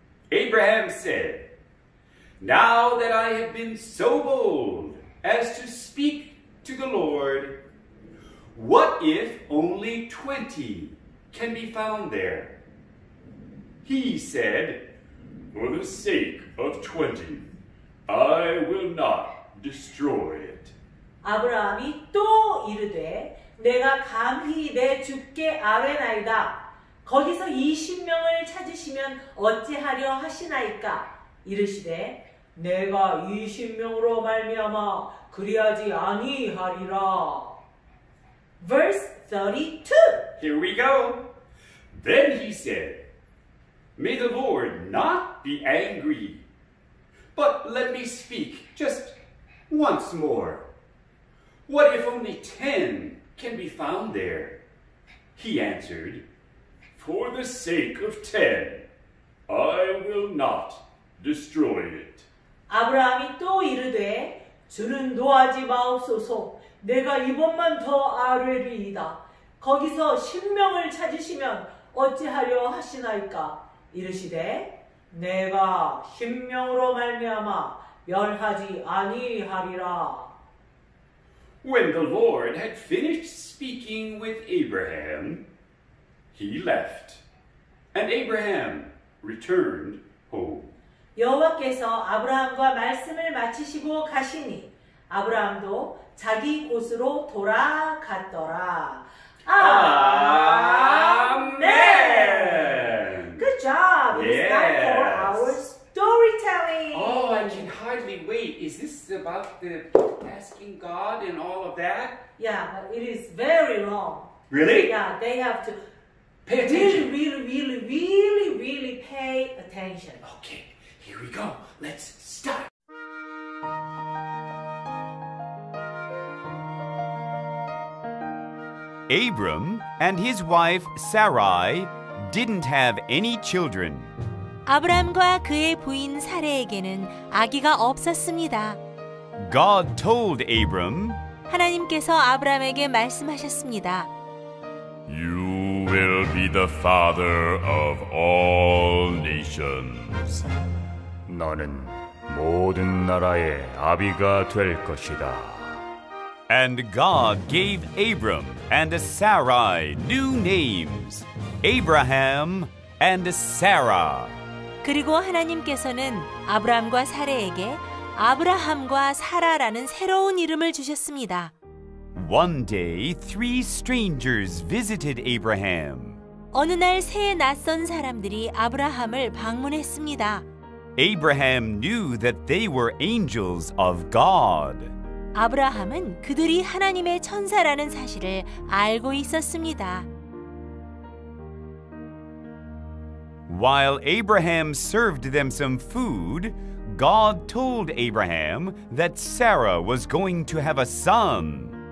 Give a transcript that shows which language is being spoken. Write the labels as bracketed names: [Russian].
[English] Abraham said, "Now that I have been so bold as to speak to the Lord, what if only 20 can be found there?" He said, "For the sake of 20, I will not destroy it." [Korean] 아브라함이 또 이르되, 내가 감히 내 주께 아뢰나이다. 거기서 20명을 찾으시면 어찌하려 하시나이까? 이르시되, 내가 20명으로 말미암아 그리하지 아니하리라. [English] Verse 32. Here we go. Then he said, "May the Lord not be angry, but let me speak just once more. What if only 10 can be found there?" He answered, "For the sake of 10, I will not destroy it." [Korean] 아브라함이 또 이르되, 주는 노하지 마옵소서, 내가 이번만 더 아뢰리이다. 거기서 10명을 찾으시면 어찌하려 하시나이까? 이르시되, 내가 10명으로 말미암아 멸하지 아니하리라. [English] When the Lord had finished speaking with Abraham, he left, and Abraham returned home. [Korean] 여호와께서 아브라함과 말씀을 마치시고 가시니 아브라함도 자기 곳으로 돌아갔더라. 아멘. [English] Good job. Yes. It's time for our storytelling. Oh, I can hardly wait. Is this about the asking God and all of that? Yeah, but it is very long. Really? Yeah, they have to pay attention. Really, really, really, really, really pay attention. Okay, here we go. Let's start. Abram and his wife Sarai didn't have any children. [Korean] 아브람과 그의 부인 사라에게는 아기가 없었습니다. [English] God told Abram, [Korean] 하나님께서 아브람에게 말씀하셨습니다. [English] You will be the father of all nations. [Korean] 너는 모든 나라의 아비가 될 것이다. [English] And God gave Abram and Sarai new names, Abraham and Sarah. [Korean] 그리고 하나님께서는 아브람과 사라에게 아브라함과 사라라는 새로운 이름을 주셨습니다. [English] One day, three strangers visited Abraham. [Korean] 어느 날 세 낯선 사람들이 아브라함을 방문했습니다. [English] Abraham knew that they were angels of God. [Korean] 아브라함은 그들이 하나님의 천사라는 사실을 알고 있었습니다. [English] While Abraham served them some food, God told Abraham that Sarah was going to have a son.